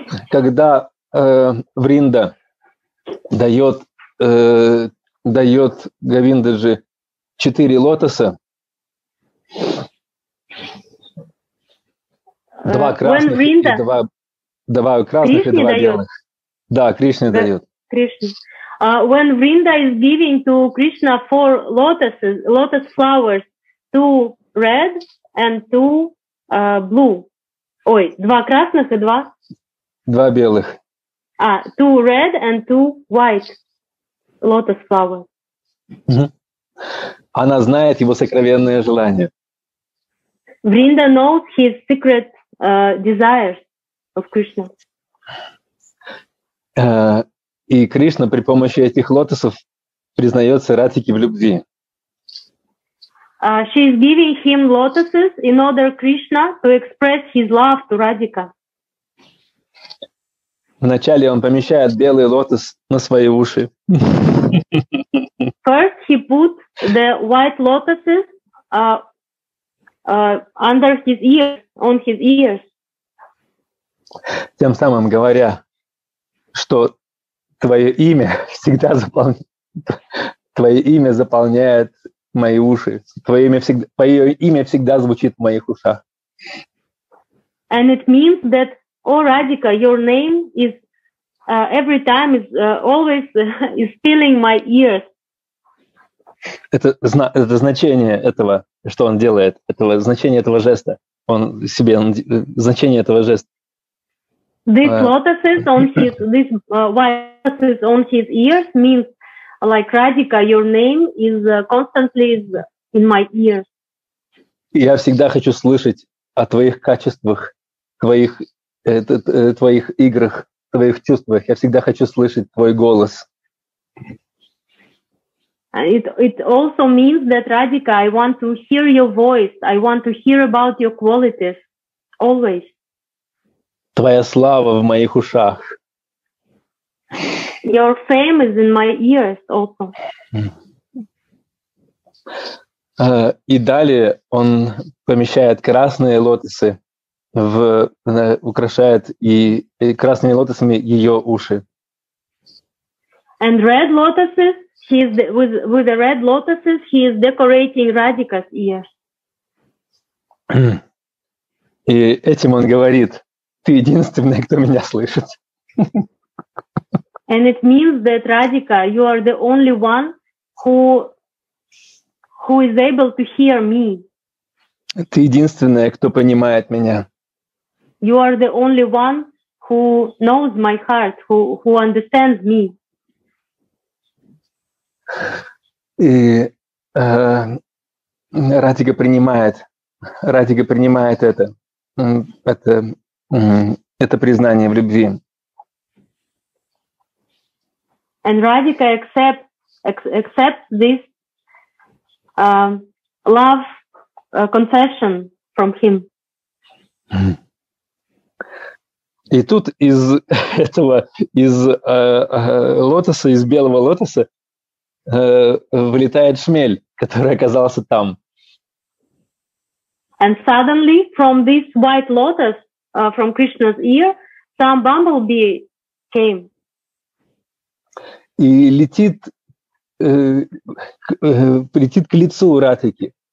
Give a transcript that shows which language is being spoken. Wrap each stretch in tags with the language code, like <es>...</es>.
<ru>Когда Вринда дает, дает Говиндаджи четыре лотоса, два красных Вринда, и два красных Кришне и два белых. Да, Кришне дает. Кришна.</ru> <en>When Vrinda is giving to Krishna four lotuses, lotus flowers, two red and two blue.</en> <ru>Ой, два красных и два. Два белых.</ru> <en>А, two red and two white lotus flowers.</en> <ru>Она знает его сокровенное желание.</ru> <en>Vrinda knows his secret desire of Krishna.</en> <ru>И Кришна при помощи этих лотосов признается Радхике в любви.</ru> <en>She is giving him lotuses in order Krishna to express his love to Radhika.</en> <ru>Вначале он помещает белый лотос на свои уши.</ru> <en>First he put the white lotuses under his ears, on his ears.</en> <ru>Тем самым говоря, что твое имя всегда заполняет, твое имя заполняет мои уши. Твое имя всегда, твое имя всегда звучит в моих ушах.</ru> <en>And it means that, oh Radhika, your name is every time is always is filling my ears.</en> <ru>Это значение этого, что он делает, этого значение этого жеста. Он себе значение этого жеста.</ru> <en>These lotuses on his this white lotuses on his ears means like Radhika, your name is constantly in my ears.</en> <ru>Я всегда хочу слышать о твоих качествах, твоих твоих играх. Твоих чувствах. Я всегда хочу слышать твой голос.</ru> <en>It also means that Radhika, I want to hear your voice. I want to hear about your qualities. Always.</en> <ru>Твоя слава в моих ушах.</ru> <en>Your fame is in my ears also.</en> <ru>И далее он помещает красные лотосы. Украшает и красными лотосами ее уши.</ru> <en>And red lotuses, he is with the red lotuses, he is decorating Radhika's ears.</en> <ru>И этим он говорит: ты единственная, кто меня слышит.</ru> <en>And it means that Radhika, you are the only one who is able to hear me.</en> <ru>Ты единственная, кто понимает меня.</ru> <en>You are the only one who knows my heart, who understands me.</en> <ru>И Радхика принимает это признание в любви.</ru> <en>And Radhika accepts this love confession from him.</en> <ru>И тут из этого, из лотоса, из белого лотоса, вылетает шмель, который оказался там.</ru> <en>And suddenly from this white lotus, from Krishna's ear,</en> <ru>Там</ru> <en>bumblebee came.</en> <ru>И летит, летит к лицу Радхики.</ru>